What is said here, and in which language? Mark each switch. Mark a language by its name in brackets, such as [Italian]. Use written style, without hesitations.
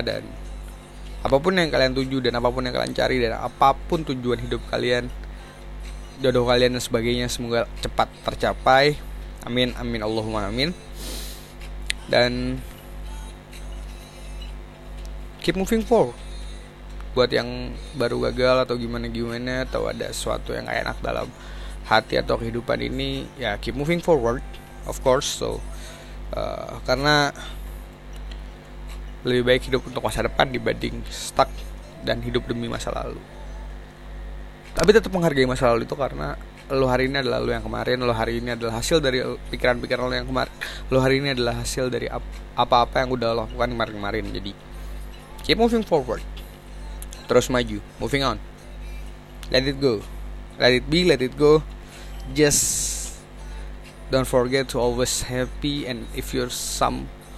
[Indonesian] Dan apapun yang kalian tuju, dan apapun yang kalian cari, dan apapun tujuan hidup kalian, jodoh kalian dan sebagainya, semoga cepat tercapai. Amin, amin, Allahumma amin. Dan [English] keep moving forward. [Indonesian] Buat yang baru gagal atau gimana-gimana, atau ada sesuatu yang gak enak dalam hati atau kehidupan ini, ya [English] keep moving forward, of course. [Indonesian] So karena lebih baik hidup untuk masa depan dibanding stuck dan hidup demi masa lalu. Tapi tetap menghargai masa lalu itu, karena lo hari ini adalah lo yang kemarin, lo hari ini adalah hasil dari pikiran-pikiran lo yang kemarin, lo hari ini adalah hasil dari apa-apa yang udah lo lakukan kemarin-kemarin. Jadi [English] keep moving forward, [Indonesian] terus maju, [English] moving on, let it go, let it be, let it go. Just don't forget to always happy, and if you're some